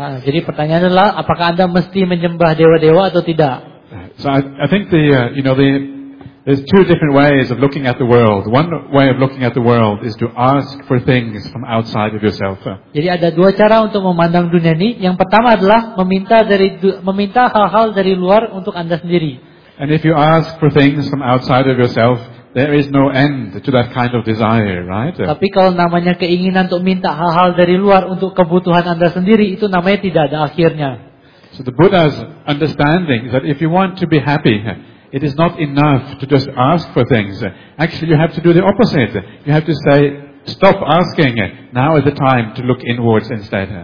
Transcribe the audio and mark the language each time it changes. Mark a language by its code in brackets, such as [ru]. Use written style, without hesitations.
[id] Jadi pertanyaannya adalah apakah Anda mesti menyembah dewa-dewa atau tidak? [en] So I think the you know the there's two different ways of looking at the world. One way of looking at the world is to ask for things from outside of yourself. [id] Jadi ada dua cara untuk memandang dunia ini. Yang pertama adalah meminta hal-hal dari luar untuk Anda sendiri. [en] And if you ask for things from outside of yourself, there is no end to that kind of desire, right? [id] Tapi kalau namanya keinginan untuk minta hal-hal dari luar untuk kebutuhan Anda sendiri, itu namanya tidak ada akhirnya. [en] So the Buddha's understanding is that if you want to be happy, it is not enough to just ask for things. Actually, you have to do the opposite. You have to say, stop asking. Now is the time to look inwards instead.